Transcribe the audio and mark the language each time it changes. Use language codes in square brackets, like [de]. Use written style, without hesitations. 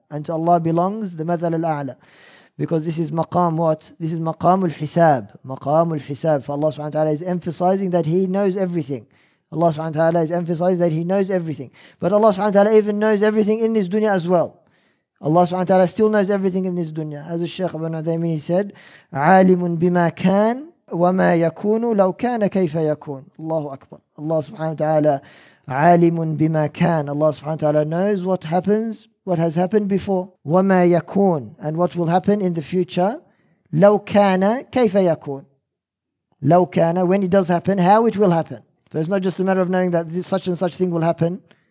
[en] And to Allah belongs the مَثَلُ الْأَعْلَى. Because this is maqam what? This is maqam al-hisab. Maqam al-hisab. For Allah subhanahu wa ta'ala is emphasizing that he knows everything. Allah subhanahu wa ta'ala is emphasizing that he knows everything. But Allah subhanahu wa ta'ala even knows everything in this dunya as well. Allah subhanahu wa ta'ala still knows everything in this dunya. As the Shaykh Ibn Uthaymeen said, [ar] عَالِمٌ بِمَا كَانْ وَمَا يَكُونُ لَوْ كَانَ كَيْفَ يَكُونُ. Allahu Akbar. [en] Allah subhanahu wa ta'ala, [ar] عَالِمٌ بِمَا كَانْ. [en] Allah subhanahu wa ta'ala knows what happens, what has happened before. [ar] وَمَا يَكُونُ. [en] And what will happen in the future. [ar] لَوْ كَانَ كَيْفَ يَكُونُ. لَوْ كَانَ. [en] When it does happen, how it will happen. So it's not just a matter of knowing that this, such and such thing will happen.